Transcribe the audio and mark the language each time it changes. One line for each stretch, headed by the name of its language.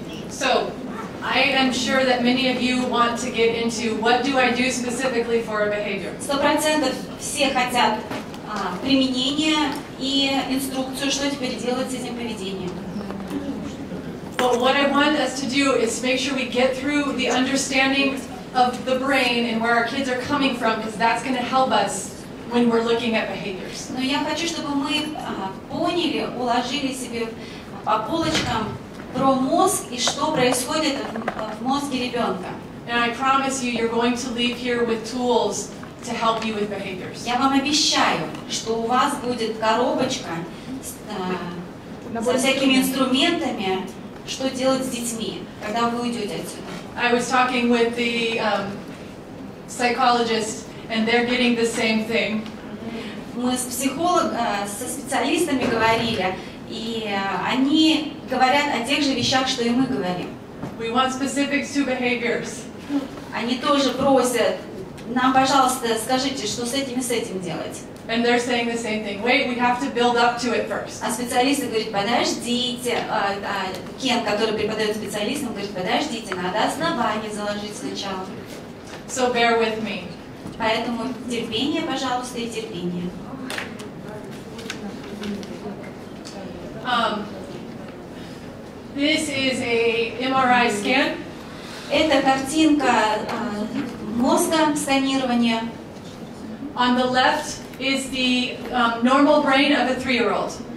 English: So, I am sure that many of you want to get into what do I do specifically for a behavior.
Russian: 100% все хотят применения и инструкцию, что теперь делать с этим поведением.
English: But what I want us to do is make sure we get through the understanding of the brain and where our kids are coming from, because that's going to help us when we're looking at behaviors.
Russian: Но я хочу, чтобы мы поняли, уложили себе по полочкам про мозг и что происходит в мозге ребенка.
English: And I promise you, you're going to leave here with tools to help you with behaviors.
Russian: Я вам обещаю, что у вас будет коробочка со всякими инструментами. Что делать с детьми, когда вы уйдете отсюда?
English: I was talking with the psychologist, and they're getting the same thing.
Russian: Мы с со специалистами говорили, и они говорят о тех же вещах, что и мы говорим.
English: We want specifics to behaviors.
Russian: Они тоже просят, нам, пожалуйста, скажите, что с этим делать.
English: And they're saying the same thing. Wait, we have to build up to it first.
Russian: А специалисты говорят, подождите. Кен, который преподает специалистам, говорит, подождите, надо основание заложить сначала.
English: So bear with me.
Russian: Поэтому терпение, пожалуйста, и терпение.
English: This is a MRI scan.
Russian: Это картинка мозга, сканирование.
English: On the left is the normal brain of a three-year-old.